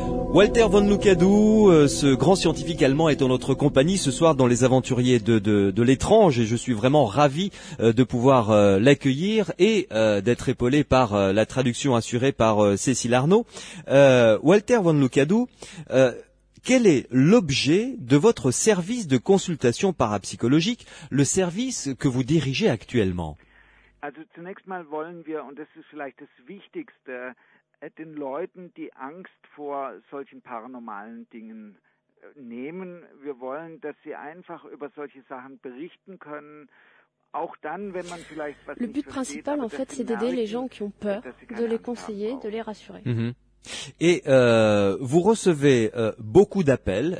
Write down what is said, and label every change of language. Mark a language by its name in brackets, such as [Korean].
[French] Walter von Lukadou, ce grand scientifique allemand, est en notre compagnie ce soir dans Les Aventuriers de l'étrange, et je suis vraiment ravi de pouvoir l'accueillir et d'être épaulé par la traduction assurée par Cécile Arnaud. Walter von Lukadou, quel est l'objet de votre service de consultation parapsychologique, le service que vous dirigez actuellement ? [German] Also zunächst mal wollen wir, und das ist vielleicht das Wichtigste, den Leuten die Angst vor solchen paranormalen Dingen nehmen. Wir wollen, dass sie einfach über solche Sachen berichten können [French] Le but principal, en fait, c'est d'aider les gens qui ont peur, de les conseiller, de les rassurer. Mm-hmm. Et vous recevez beaucoup d'appels.